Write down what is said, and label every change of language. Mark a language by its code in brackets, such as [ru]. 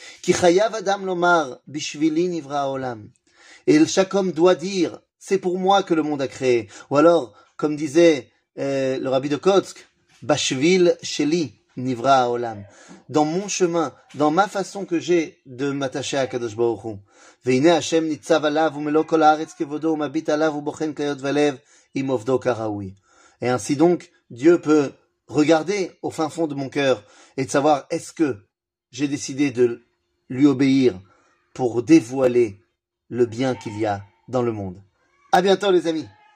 [he] Ki chayav adam lomar bishvili nivra olam. [fr] Et chaque homme doit dire, c'est pour moi que le monde a créé. Ou alors, comme disait le rabbi de Kotsk, [he] bashvil sheli nivra olam. [fr] Dans mon chemin, dans ma façon que j'ai de m'attacher à Kadosh Baruch Hu. [he] והנה השם ניצב עליו ומלוא כל הארץ כבודו ומביט עליו ובוחן קריות ולב עם עובדו כראוי. [fr] Et ainsi donc, Dieu peut regarder au fin fond de mon cœur et de savoir est-ce que j'ai décidé de lui obéir pour dévoiler le bien qu'il y a dans le monde. À bientôt, les amis.